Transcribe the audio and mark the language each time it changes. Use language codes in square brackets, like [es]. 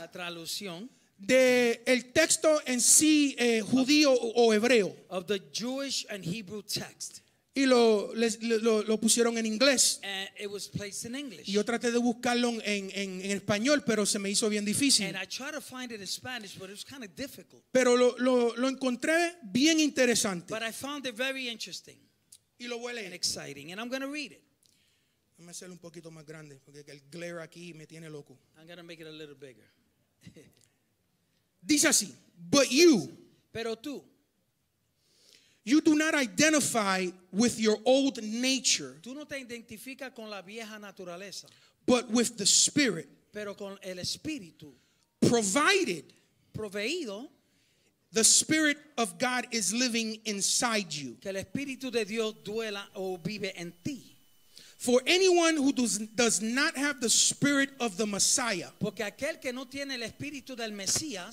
[es] La traducción. De el texto en sí judío o hebreo. [en] Of the Jewish and Hebrew text. [es] Y lo pusieron en inglés. [en] And it was placed in English. [es] Y yo traté de buscarlo en español, pero se me hizo bien difícil. [en] And I tried to find it in Spanish, but it was kind of difficult. [es] Pero lo encontré bien interesante. [en] But I found it very interesting. [es] Y lo voy a leer. [en] And exciting. And I'm going to read it. [es] Voy a hacerlo un poquito más grande porque el glare aquí me tiene loco. [en] I'm going to make it a little bigger. [es] Dice así, [en] but you, [es] pero tú, [en] you do not identify with your old nature, [es] tú no te identificas con la vieja naturaleza, [en] but with the spirit, [es] pero con el espíritu, [en] provided, [es] proveído, [en] the spirit of God is living inside you, [es] que el espíritu de Dios duela o vive en ti. [en] For anyone who does not have the spirit of the Messiah, [es] porque aquel que no tiene el espíritu del Mesías,